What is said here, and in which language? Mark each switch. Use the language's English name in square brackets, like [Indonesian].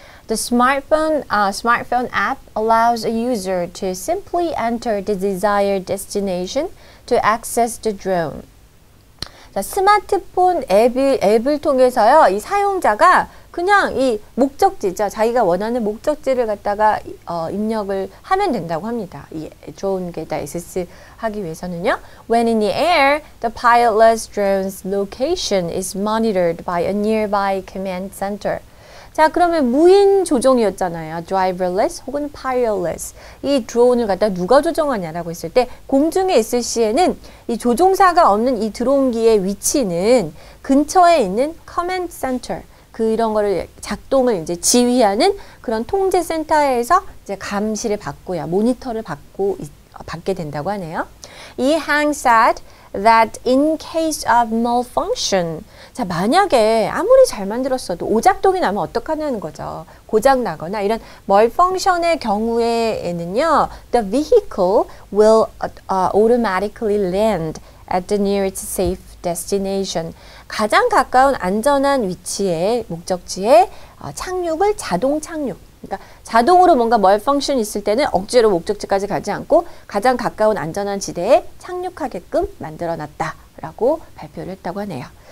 [English] The smartphone app allows a user to simply enter the desired destination to access the drone. [Korean] 자, 스마트폰 앱을 통해서요, 이 사용자가 그냥 이 목적지죠. 자기가 원하는 목적지를 갖다가 입력을 하면 된다고 합니다. 이 드론 게다 SS 하기 위해서는요. [English] When in the air, the pilotless drone's location is monitored by a nearby command center. [Korean] 자, 그러면 무인 조종이었잖아요. Driverless 혹은 pilotless. 이 드론을 갖다 누가 조종하냐라고 했을 때 공중에 있을 시에는 이 조종사가 없는 이 드론기의 위치는 근처에 있는 command center. 그런 거를 작동을 이제 지휘하는 그런 통제 센터에서 이제 감시를 받고요. 모니터를 받게 된다고 하네요. [English] 이 Hang said that in case of malfunction. [Korean] 자, 만약에 아무리 잘 만들었어도 오작동이 나면 어떡하냐는 거죠. 고장 나거나 이런 malfunction의 경우에는요. [English] The vehicle will automatically land at the nearest safe destination. [Korean] 가장 가까운 안전한 위치에 목적지에 착륙을 자동 착륙. 그러니까 자동으로 뭔가 malfunction 있을 때는 억지로 목적지까지 가지 않고 가장 가까운 안전한 지대에 착륙하게끔 만들어 놨다라고 발표를 했다고 하네요.